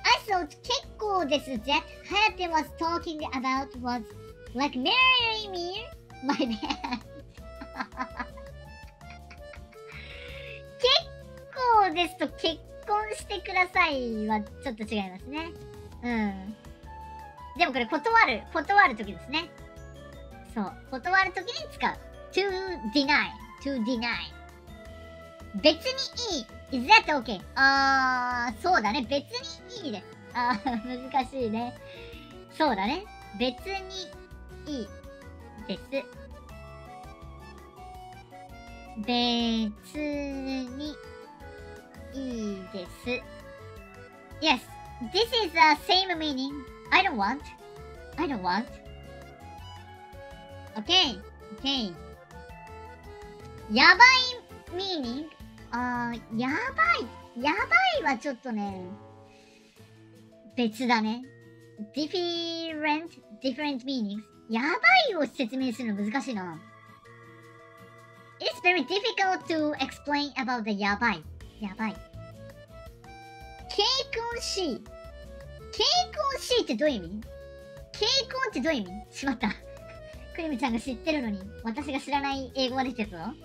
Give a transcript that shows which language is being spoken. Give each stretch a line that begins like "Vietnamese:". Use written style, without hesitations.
English: I thought 結構です that Hayate was talking about was like marrying me, my bad.
Japanese: ですと結婚してくださいはちょっと違いますね。うん。でもこれ断る時ですね。そう、断る時に使う。
English: To deny, to deny。
Japanese: 別にいい。
English: Is that okay?
Japanese: ああ、そうだね。別にいいです。ああ、難しいね。そうだね。別にいいです。別に。いいです。
English: Yes, this is the same meaning. I don't want. I don't want. Okay, okay. やばい meaning.
Japanese: やばい。やばいはちょっとね、別だね。
English: Different meanings.
Japanese: やばいを説明するの難しいな。
English: It's very difficult to explain about the やばい。
Japanese: やばい。結婚し、結婚しってどういう意味？結婚ってどういう意味？しまった。クリムちゃんが知ってるのに、私が知らない英語が出てるぞ。